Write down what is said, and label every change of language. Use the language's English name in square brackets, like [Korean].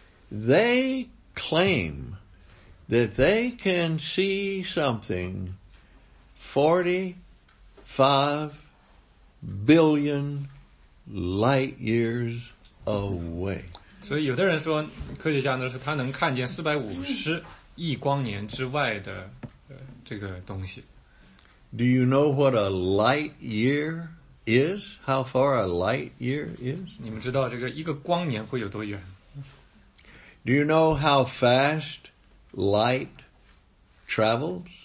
[English] They claim that they can see something 45 billion light years away. [Chinese] 所以有的人说，科学家呢说他能看见450亿光年之外的这个东西。 [English] Do you know what a light year is? How far a light year is? [Chinese] 你们知道这个一个光年会有多远？ [English] Do you know how fast light travels?